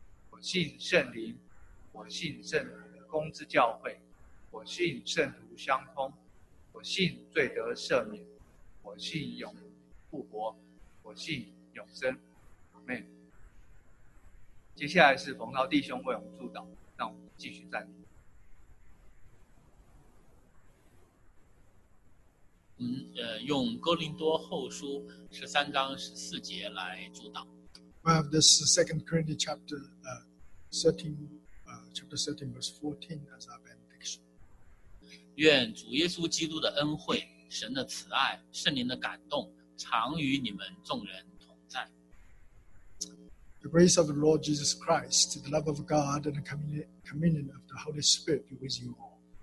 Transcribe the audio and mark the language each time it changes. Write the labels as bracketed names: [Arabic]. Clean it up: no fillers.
[Chinese] 我信圣灵，我信圣徒的公之教会，我信圣徒相通，我信罪得赦免，我信永复活，我信永生。阿们。接下来是冯涛弟兄为我们祝祷，让我们继续站立。用哥林多后书13:14来祝祷。 [English] We have this Second Corinthians chapter thirteen, verse fourteen as our benediction. [Chinese] 愿主耶稣基督的恩惠、神的慈爱、圣灵的感动，常与你们众人。 [English] The grace of the Lord Jesus Christ, the love of God, and the communion of the Holy Spirit be with you all.